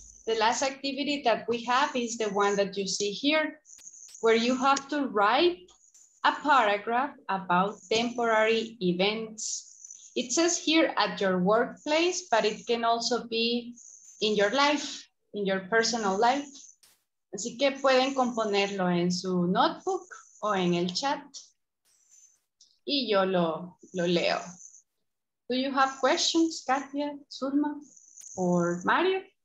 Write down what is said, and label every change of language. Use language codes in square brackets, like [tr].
[en] The last activity that we have is the one that you see here, where you have to write a paragraph about temporary events. It says here at your workplace, but it can also be in your life, in your personal life. [es] Así que pueden componerlo en su notebook o en el chat. Y yo lo leo. [en] Do you have questions, Katia, Zulma, or Mario?